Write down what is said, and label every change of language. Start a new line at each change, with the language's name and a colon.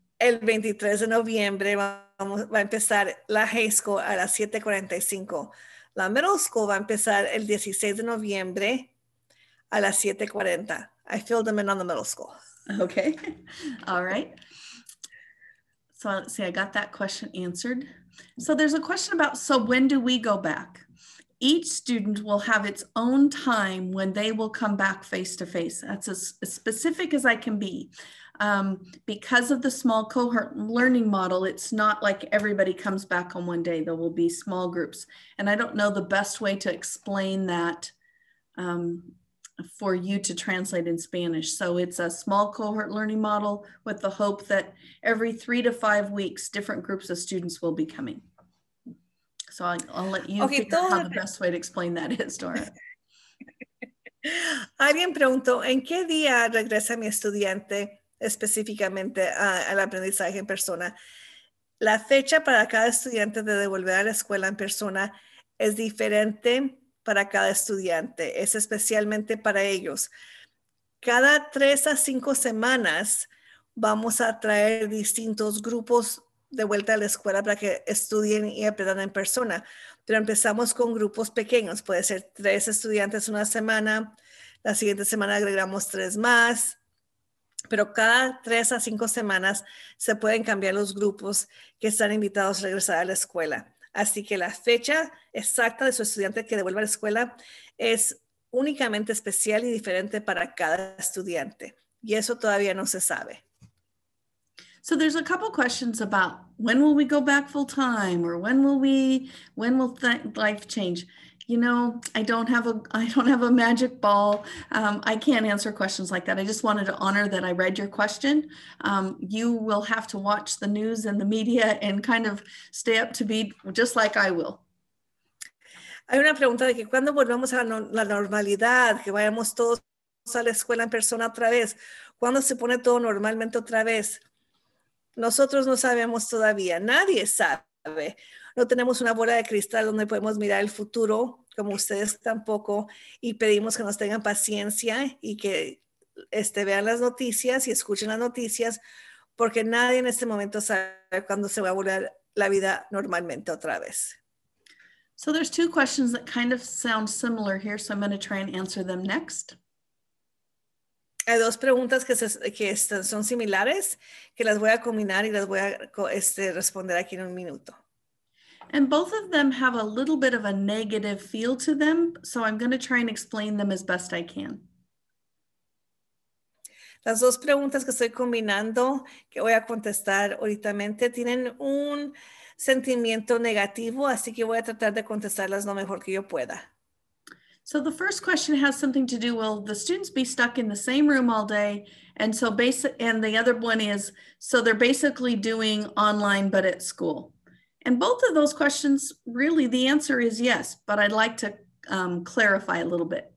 Spanish: El 23 de noviembre va a empezar la high school a las 7:45. La middle school va a empezar el 16 de noviembre a las 7:40.
English: I filled them in on the middle school. Okay, all right. So let's see, I got that question answered. So there's a question about, so when do we go back? Each student will have its own time when they will come back face to face. That's as specific as I can be. Because of the small cohort learning model, it's not like everybody comes back on one day. There will be small groups. And I don't know the best way to explain that for you to translate in Spanish. So it's a small cohort learning model with the hope that every 3 to 5 weeks, different groups of students will be coming. So I'll let you figure out how the best way to explain that is, Dora.
Spanish: Alguien preguntó, ¿en qué día regresa mi estudiante específicamente al aprendizaje en persona? La fecha para cada estudiante de devolver a la escuela en persona es diferente para cada estudiante. Es especialmente para ellos. Cada 3 a 5 semanas vamos a traer distintos grupos de vuelta a la escuela para que estudien y aprendan en persona. Pero empezamos con grupos pequeños. Puede ser 3 estudiantes una semana. La siguiente semana agregamos 3 más. Pero cada 3 a 5 semanas se pueden cambiar los grupos que están invitados a regresar a la escuela. Así que la fecha exacta de su estudiante que devuelva a la escuela es únicamente especial y diferente para cada estudiante. Y eso todavía no se sabe.
English: So there's a couple questions about when will we go back full time or when will life change? You know, I don't have a magic ball. I can't answer questions like that. I just wanted to honor that I read your question. You will have to watch the news and the media and kind of stay up to be just like I will.
Spanish: Hay una pregunta de que cuando volvamos a la normalidad, que vayamos todos a la escuela en persona otra vez, cuando se pone todo normalmente otra vez. Nosotros no sabemos todavía, nadie sabe. No tenemos una bola de cristal donde podemos mirar el futuro, como ustedes tampoco, y pedimos que nos tengan paciencia y que vean las noticias y escuchen las noticias, porque nadie en este momento sabe cuándo se va a volver la vida normalmente otra vez.
English: So there's 2 questions that kind of sound similar here, so I'm going to try and answer them next.
Spanish: Hay 2 preguntas que son similares, que las voy a combinar y las voy a responder aquí en un minuto.
English: And both of them have a little bit of a negative feel to them, so I'm going to try and explain them as best I can.
Spanish: Las 2 preguntas que estoy combinando, que voy a contestar ahoritamente, tienen un sentimiento negativo, así que voy a tratar de contestarlas lo mejor que yo pueda.
English: So the first question has something to do, will the students be stuck in the same room all day? And so the other one is, so they're basically doing online but at school. And both of those questions, really the answer is yes, but I'd like to clarify a little bit.